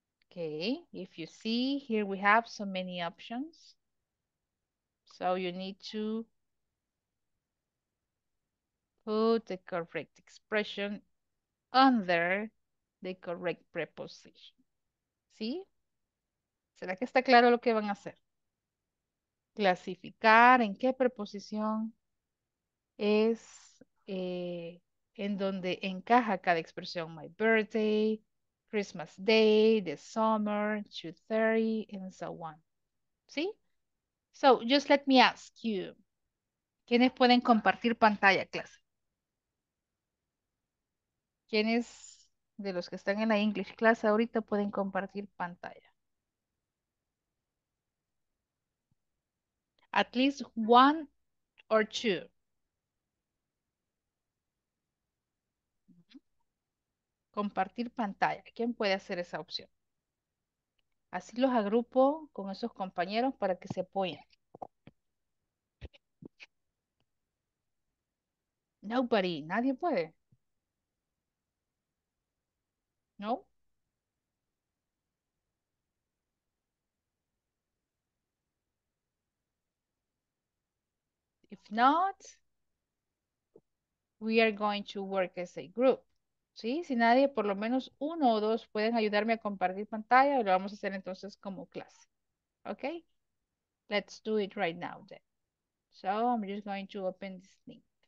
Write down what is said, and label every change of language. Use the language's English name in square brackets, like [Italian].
[English] Okay, if you see here, we have so many options. So you need to put the correct expression under the correct preposition. [Spanish] ¿Sí? ¿Será que está claro lo que van a hacer? Clasificar en qué preposición es en donde encaja cada expresión. [English] My birthday, Christmas Day, the summer, 2:30, and so on. [Spanish] ¿Sí? [English] So, just let me ask you, [Spanish] ¿quiénes pueden compartir pantalla, clase? ¿Quiénes de los que están en la English class ahorita pueden compartir pantalla? [English] At least one or two. [Spanish] Compartir pantalla. ¿Quién puede hacer esa opción? Así los agrupo con esos compañeros para que se apoyen. [English] Nobody, [Spanish] nadie puede. No. [English] If not, we are going to work as a group. [Spanish] ¿Sí? Si nadie, por lo menos uno o dos pueden ayudarme a compartir pantalla, lo vamos a hacer entonces como clase. [English] Ok. Let's do it right now then. So I'm just going to open this link.